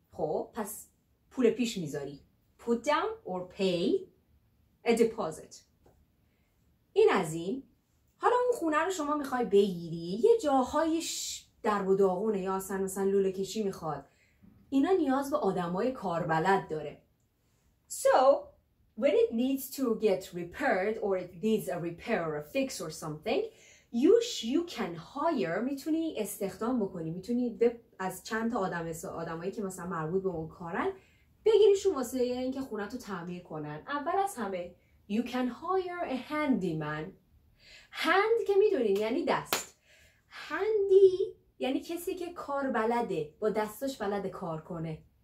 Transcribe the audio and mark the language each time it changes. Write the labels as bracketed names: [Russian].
[Persian] خب پس پول پیش میذاری. [English] Put down or pay a deposit. [Persian] این از این. حالا اون خونه رو شما میخوای بگیری، یه جاهایش درب و داغونه یا اصلا مثلا لوله کشی میخواد، اینا نیاز به آدمای کاربلد داره. [English] So when it needs to get repaired or it needs a repair or a fix or something, you can hire. [Persian] میتونی استخدام بکنی، میتونی از چند تا آدمایی که مثلا مربوط به اون کارن بگیریشون واسه اینکه خونه تو تعمیر کنن. اول از همه [English] you can hire a handyman. [Persian] hand که میدونین یعنی دست. handy یعنی کسی که کار بلده، با دستش بلده کار کنه.